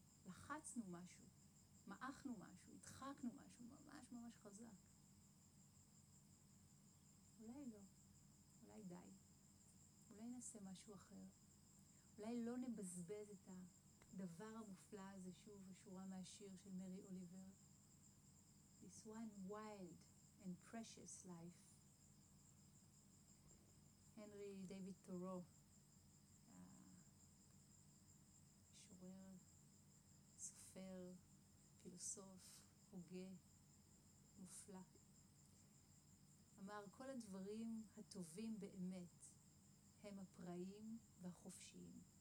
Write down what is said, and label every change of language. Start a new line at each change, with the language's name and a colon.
Hebrew: לחצנו משהו, מאחנו משהו, הדחקנו משהו, ממש ממש חזק. אולי לא, אולי די. אולי נעשה משהו אחר. אולי לא נבזבז את הדבר המופלא הזה, שוב, השורה מהשיר של מרי אוליבר.
English: This one wild and precious life.
Hebrew: הנרי דייוויד תורו, שורר, סופר, פילוסוף, הוגה, מופלא. אמר, כל הדברים הטובים באמת הם הפראים והחופשיים.